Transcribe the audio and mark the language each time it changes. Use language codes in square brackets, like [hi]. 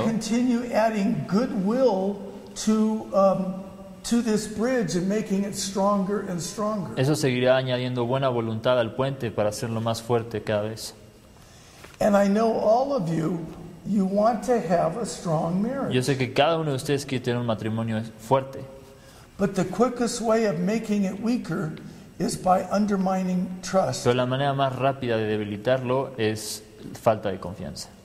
[en] that will continue adding goodwill to this bridge and making it stronger and stronger. [es] Eso seguirá añadiendo buena voluntad al puente para hacerlo más fuerte cada vez. [en] And I know all of you want to have a strong marriage. [es] Yo sé que cada uno de ustedes quiere tener un matrimonio fuerte. [en] But the quickest way of making it weaker is by undermining trust. [es] Pero la manera más rápida de debilitarlo es falta de confianza.